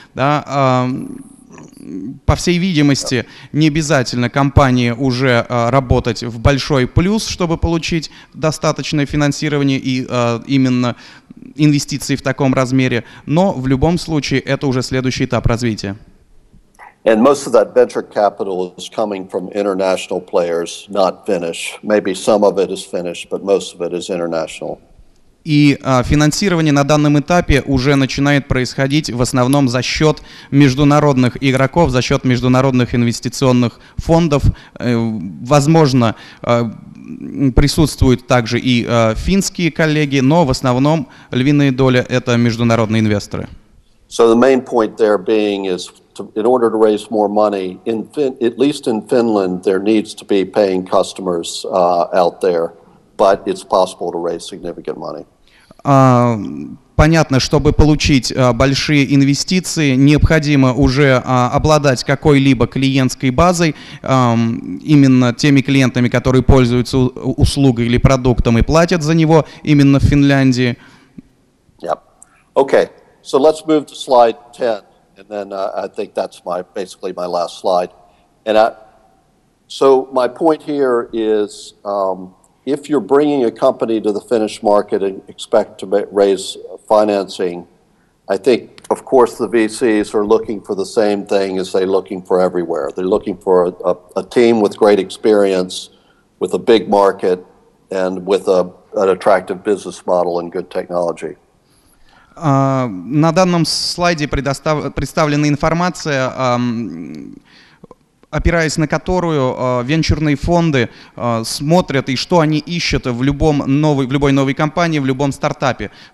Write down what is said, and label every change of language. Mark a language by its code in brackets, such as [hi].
[ru] Да, по всей видимости, не обязательно компании уже работать в большой плюс, чтобы получить достаточное финансирование и именно инвестиции в таком размере, но в любом случае это уже следующий этап развития. [en] And most of that venture capital is coming from international players, not Finnish. Maybe some of it is Finnish, but most of it is international. [ru] И финансирование на данном этапе уже начинает происходить в основном за счет международных игроков, за счет международных инвестиционных фондов. Возможно, присутствуют также и финские коллеги, но в основном львиная доля – это международные инвесторы. [en] So the main point there being is to, in order to raise more money, in at least in Finland, there needs to be paying customers out there, but it's possible to raise significant money. [ru] Понятно, чтобы получить большие инвестиции, необходимо уже обладать какой-либо клиентской базой, именно теми клиентами, которые пользуются услугой или продуктом и платят за него именно в Финляндии. [en] Yep. Okay. So let's move to slide 10, and then I think that's my basically my last slide. And so my point here is if you're bringing a company to the Finnish market and expect to raise financing, I think, of course, the VCs are looking for the same thing as they're looking for everywhere. They're looking for a team with great experience, with a big market, and with an attractive business model and good technology. [ru] На данном слайде представлена информация, опираясь на которую венчурные фонды смотрят и что они ищут в любой новой компании, в любом стартапе.